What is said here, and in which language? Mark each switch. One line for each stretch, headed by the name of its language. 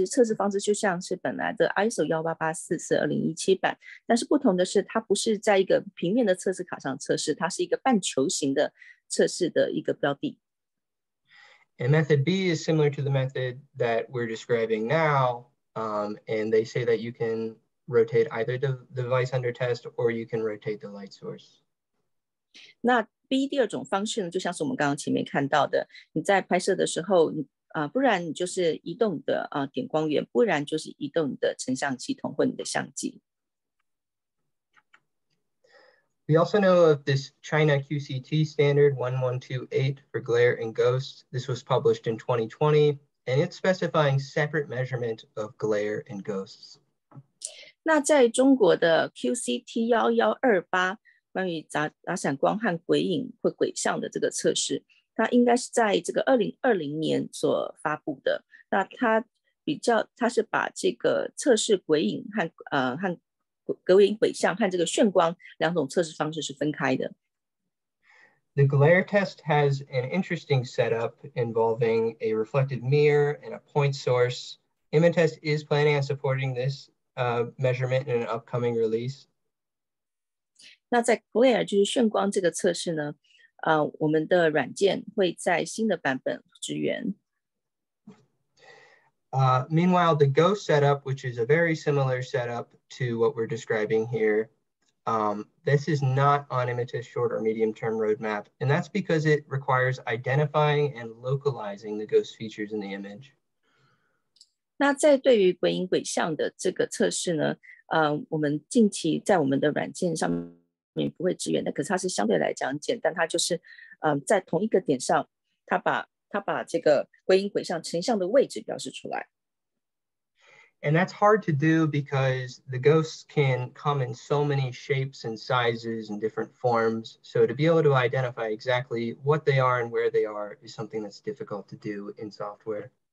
Chinese: 那第一种呢，这个方式A呢，它其实测试方式就像是本来的 ISO 18844-2017版，但是不同的是，它不是在一个平面的测试卡上测试，它是一个半球形的测试的一个标的。
English: And method B is similar to the method that we're describing now. And they say that you can rotate either the device under test or you can rotate the light source.
Chinese: 那 B 第二种方式呢，就像是我们刚刚前面看到的，你在拍摄的时候，不然就是移动你的点光源，不然就是移动你的成像系统或你的相机。
English: We also know of this China QCT standard 1128 for glare and ghosts. This was published in 2020, and it's specifying separate measurement of glare and ghosts.
Chinese: 那在中国的 QCT 1128关于杂闪光和鬼影或鬼像的这个测试，它应该是在这个2020年所发布的。那它比较，它是把这个测试鬼影和
English: The glare test has an interesting setup involving a reflective mirror and a point source. IMATEST is planning on supporting this measurement in an upcoming release.
Chinese: 那在 glare 就是炫光这个测试呢，我们的软件会在新的版本支援。
English: Meanwhile, the go setup, which is a very similar setup to what we're describing here, this is not on IMITA's short or medium term roadmap. And that's because it requires identifying and localizing the ghost features in the image.
Chinese: 那在对于鬼影鬼像的这个测试呢，我们近期在我们的软件上面不会支援的，可是它是相对来讲简单，它就是，在同一个点上，它把这个鬼影鬼像成像的位置表示出来。
English: And that's hard to do because the ghosts can come in so many shapes and sizes and different forms. So to be able to identify exactly what they are and where they are is something that's difficult to do in software.